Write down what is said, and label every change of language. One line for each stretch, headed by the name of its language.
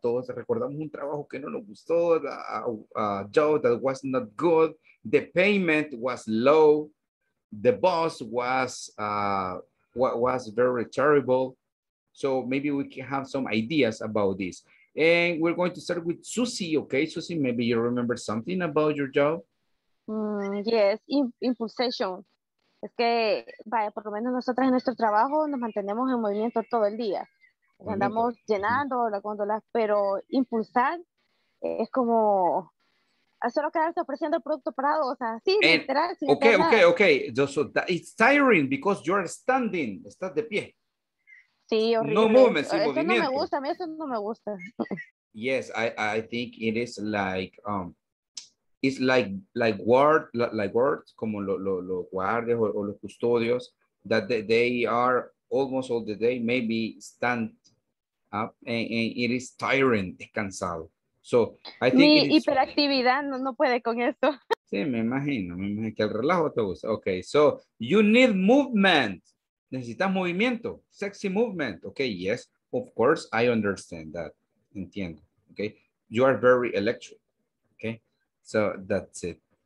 Spanish: Todos recordamos un trabajo que no nos gustó,
English: a job that was not good, the payment was low, the boss was... what was very terrible. So maybe we can have some ideas about this. And we're going to start with Susie, okay? Susie, maybe you remember something about your job? Yes, in possession.
Spanish: Es que, vaya, por lo menos nosotras en nuestro trabajo nos mantenemos en movimiento todo el día. Andamos llenando las góndolas, pero impulsar es como solo quedarse ofreciendo el producto parado, o sea, sí, literal. Sin
English: okay, okay, okay, okay. So it's tiring because you are standing,
Spanish: estás de pie. Sí, horrible.
English: No movement,
Spanish: sin movimiento. Eso no me gusta, a mí eso no me gusta.
English: Yes, I think it is like, it's like guard, like guards,
Spanish: como los guardias o los custodios,
English: that they are almost all the day, maybe stand up, and it is tiring,
Spanish: descansado.
English: So, I think
Spanish: mi hiperactividad no puede con esto. Sí, me imagino que el relajo te gusta.
English: Okay, so you need movement.
Spanish: Necesitas movimiento,
English: sexy movement. Okay, yes, of course, I understand that.
Spanish: Entiendo,
English: okay? You are very electric, okay? So that's it.